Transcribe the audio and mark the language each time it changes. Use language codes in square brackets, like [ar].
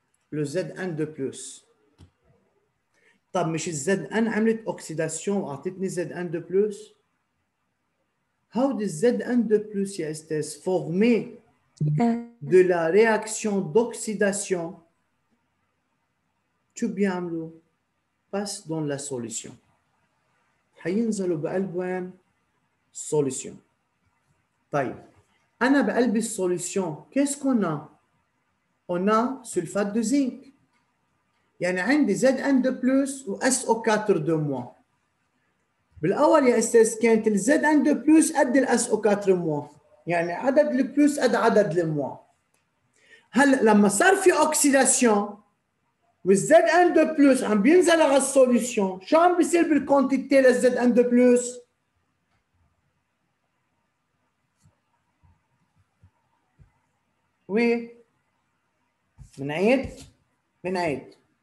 [fr] Le Zn de plus. [ar] طب مش [fr] Zn عملت oxydation [ar] وعطتني [fr] Zn de plus. [en] How did [fr] Zn de plus [ar] يا استاذ [fr] formé de la réaction d'oxydation [ar] شو بيعملوا؟ [fr] Passe dans la solution. [ar] حينزلوا بقلب وين؟ Solution. طيب انا بقلب [fr] solution qu'est-ce qu'on a؟ On a sulfate de zinc. [ar] يعني عندي Zn de plus و SO4 de moins. بالأول يا أستاذ كانت ال Zn de plus قد ال SO4 de moins. يعني عدد ال plus قد عدد ال moins. هلا لما صار في أوكسيداسيون وال Zn de plus عم بينزل على السوليسيون، شو عم بيصير بالكونتيتي لل Zn de plus؟ وي بنعيد؟ بنعيد.